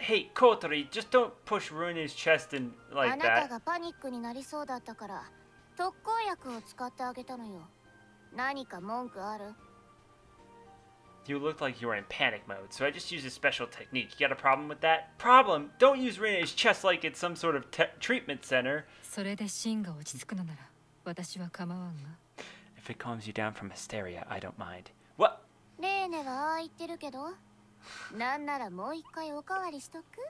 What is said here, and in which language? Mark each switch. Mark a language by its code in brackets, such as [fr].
[en] Hey, Kotori, just don't push Rinne's chest in like that. [ja] あなたがパニックになりそうだったから、特効薬を使ってあげたのよ。何か文句ある？ [en] You look like you were in panic mode, so I just used a special technique. You got a problem with that? Problem? Don't use Rinne's chest like it's some sort of treatment center. [ja] それでシンが落ち着くのなら、私は構わんが。 [en] If it calms you down from hysteria, I don't mind. What? [ja] レーネはああ言ってるけど、なんならもう一回おかわりしとく。